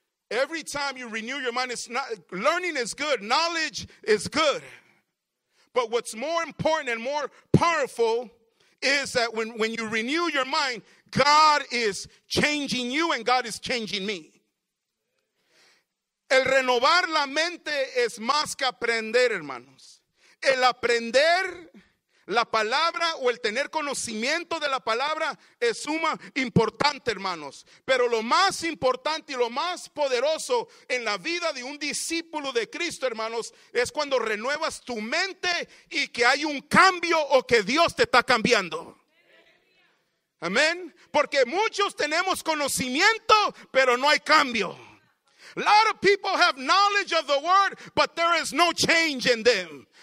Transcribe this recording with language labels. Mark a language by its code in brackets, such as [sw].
[en] Every time you renew your mind, it's not learning is good. Knowledge is good. But what's more important and more powerful is that when you renew your mind, God is changing you and God is changing me. [es] El renovar la mente es más que aprender, hermanos. El aprender la palabra o el tener conocimiento de la palabra es suma importante, hermanos. Pero lo más importante y lo más poderoso en la vida de un discípulo de Cristo, hermanos, es cuando renuevas tu mente y que hay un cambio o que Dios te está cambiando. Amén. Porque muchos tenemos conocimiento, pero no hay cambio. [en] A lot of people have knowledge of the word, but there is no change in them.